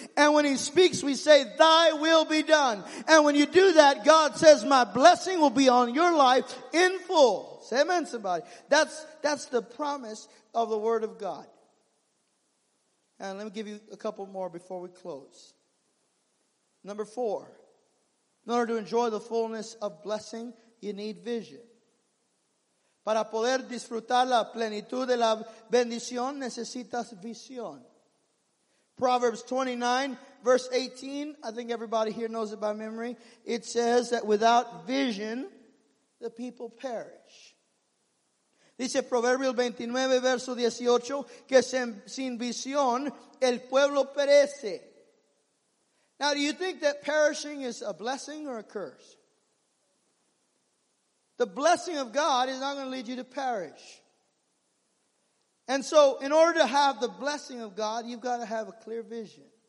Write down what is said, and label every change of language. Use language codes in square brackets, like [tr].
[en] And when He speaks, we say, Thy will be done. And when you do that, God says, my blessing will be on your life in full. Say amen, somebody. That's the promise of the Word of God. And let me give you a couple more before we close. Number four, in order to enjoy the fullness of blessing, you need vision. [es] Para poder disfrutar la plenitud de la bendición, necesitas visión. [en] Proverbs 29, verse 18. I think everybody here knows it by memory. It says that without vision, the people perish. [es] Dice Proverbios 29, verso 18, que sin visión, el pueblo perece. [en] Now, do you think that perishing is a blessing or a curse? The blessing of God is not going to lead you to perish. And so, in order to have the blessing of God, you've got to have a clear vision.